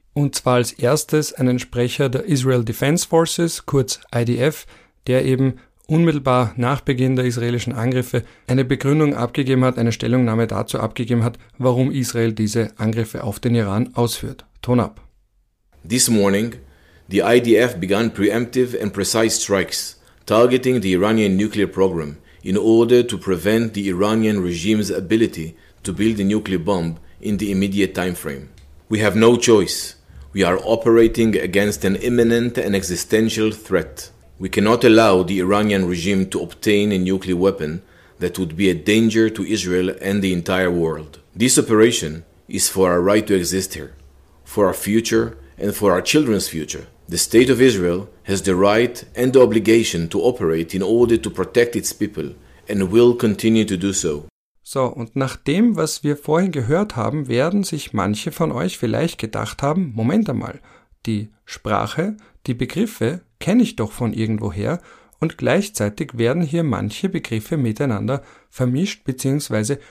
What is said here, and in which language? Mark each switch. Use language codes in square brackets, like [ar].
[de] Und zwar als erstes einen Sprecher der Israel Defense Forces, kurz IDF, der eben unmittelbar nach Beginn der israelischen Angriffe eine Begründung abgegeben hat, eine Stellungnahme dazu abgegeben hat, warum Israel diese Angriffe auf den Iran ausführt. Ton ab. [en] This morning, the IDF began preemptive and precise strikes targeting the Iranian nuclear program in order to prevent the Iranian regime's ability to build a nuclear bomb in the immediate time frame. We have no choice. We are operating against an imminent and existential threat. We cannot allow the Iranian regime to obtain a nuclear weapon that would be a danger to Israel and the entire world. This operation is for our right to exist here, for our future and for our children's future. The state of Israel has the right and the obligation to operate in order to protect its people and will continue to do so. [de] So, und nach dem, was wir vorhin gehört haben, werden sich manche von euch vielleicht gedacht haben, Moment einmal, die Sprache, die Begriffe kenne ich doch von irgendwoher, und gleichzeitig werden hier manche Begriffe miteinander vermischt bzw.